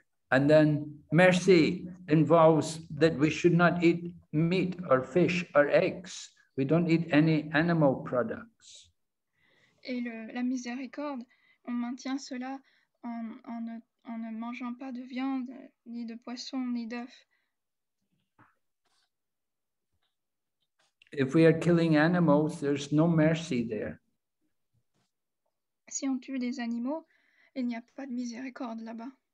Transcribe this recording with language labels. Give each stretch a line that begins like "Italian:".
English: And then mercy involves that we should not eat meat or fish or eggs. We don't eat any animal products.
French: Et la miséricorde, on maintient cela en ne mangeant pas de viande, ni de poisson, ni d'œuf.
English: If we are killing animals, there's no mercy there.
French: Si on tue des animaux, il n'y a pas de miséricorde là-bas.